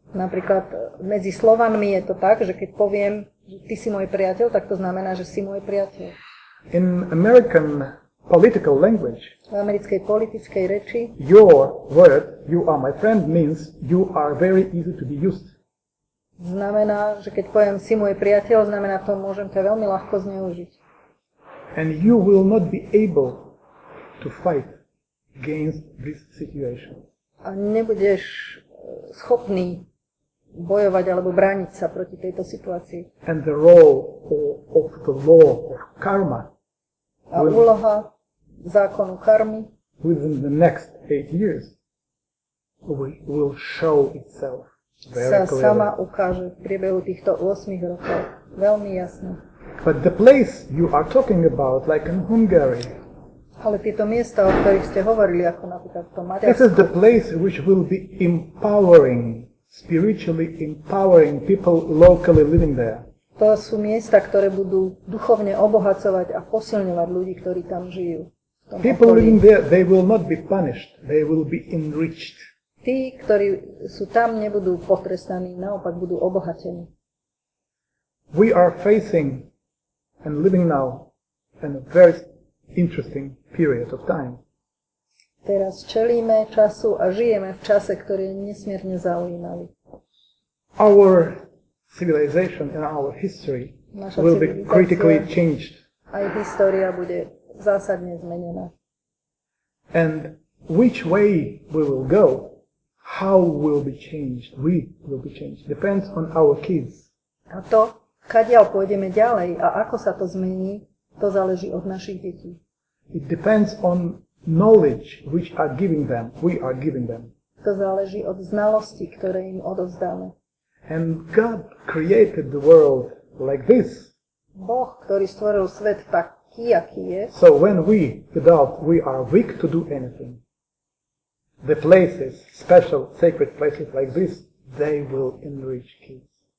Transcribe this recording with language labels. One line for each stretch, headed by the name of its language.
Slovak: Napríklad medzi Slovanmi je to tak, že keď poviem, že ty si môj priateľ, tak to znamená, že si môj priateľ.
English: In American political language.
Slovak: V americkej politickej reči.
English: Your word, you are my friend, means you are very easy to be used.
Slovak: Znamená, že keď poviem si môj priateľ, znamená to, môžem ťa veľmi ľahko zneužiť.
English: And you will not be able to fight against this situation.
Slovak: A nebudeš schopný bojovať alebo brániť sa proti tejto situácii.
English: And the role of the law of karma.
Slovak: A úloha zákonu karmy
English: within the next 8 years will show itself very
Slovak: Sa sama ukáže v priebehu týchto 8 rokov veľmi jasne.
English: But the place you are talking about, like in Hungary,
Slovak: ale tieto miesta, o ktorých ste hovorili, ako napríklad to Maďarsko,
English: this is the place which will be empowering, spiritually empowering people locally living there.
Slovak: To sú miesta, ktoré budú duchovne obohacovať a posilňovať ľudí, ktorí tam žijú.
English: People living there, they will not be punished, they will be enriched.
Slovak: Tí, ktorí sú tam, nebudú potrestaní, naopak budú obohatení.
English: We are facing and living now in a very interesting period of time.
Slovak: Teraz čelíme času a žijeme v čase, ktorý je nesmierne zaujímavý.
English: Our civilization and our history will be critically changed.
Slovak: Aj história bude zásadne zmenená.
English: And which way we will go, how will be changed, we will be changed, depends on our kids.
Slovak: A to, kadiaľ pôjdeme ďalej a ako sa to zmení, to záleží od našich detí.
English: It depends on knowledge which are giving them, we are giving them.
Slovak: To záleží od znalosti, ktoré im odovzdáme.
English: And God created the world like this.
Slovak: Boh, ktorý stvoril svet tak, aký je.
English: So when we adults, we are weak to do anything, the places, special sacred places like this, they will enrich kids.